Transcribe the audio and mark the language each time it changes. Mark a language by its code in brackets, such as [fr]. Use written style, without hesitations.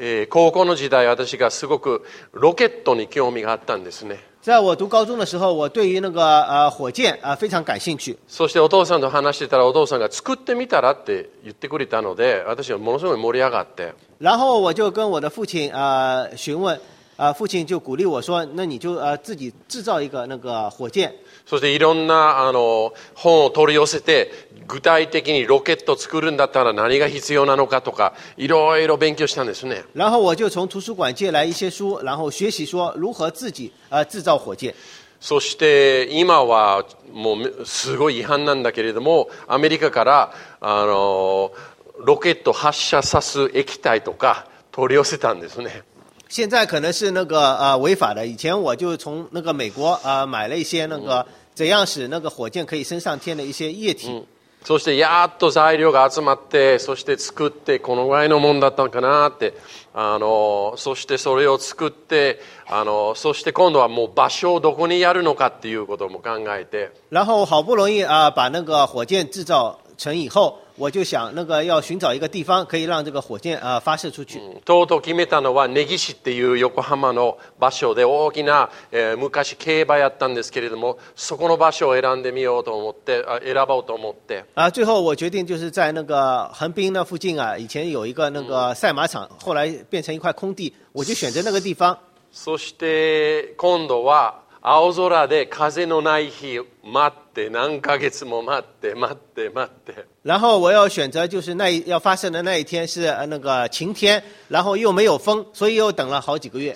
[ja] 高校の時代、私がすごくロケットに興味があったんですね。 [zh] 在我读高中的时候，我对于那个火箭非常感兴趣。 [ja] そしてお父さんと話してたら、お父さんが作ってみたらって言ってくれたので、私はものすごい盛り上がって。 [zh] 然后我就跟我的父亲询问。父亲就鼓励我说，那你就自己制造一个那个火箭。 [ja] そしていろんな本を取り寄せて、具体的にロケット作るんだったら何が必要なのかとか、いろいろ勉強したんですね。 [zh] 然后我就从图书馆借来一些书，然后学习说如何自己制造火箭。 [ja] そして今はもうすごい違反なんだけれども、アメリカからロケット発射さす液体とか取り寄せたんですね。 [zh] 现在可能是那个违法的。以前我就从那个美国买了一些那个怎样使那个火箭可以升上天的一些液体。 [ja] そしてやっと材料が集まって、そして作ってこのぐらいのもんだったのかなって、そしてそれを作って、そして今度はもう場所をどこにやるのかっていうことも考えて。 [zh] 然后好不容易把那个火箭制造成以后，我就想那个要寻找一个地方可以让这个火箭发射出去。 [ja] とうとう決めたのは根岸っていう横浜の場所で、大きな、昔競馬やったんですけれども、そこの場所を選んでみようと思って、選ぼうと思って。 [zh] 最后我决定就是在那个横滨那附近啊，以前有一个那个赛马场，后来变成一块空地，我就选择那个地方。 [ja] そして今度は青空で風のない日待って何ヶ月も待って待って待って。 [zh] 然后我要选择就是那要发生的那一天是那个晴天，然后又没有风，所以又等了好几个月。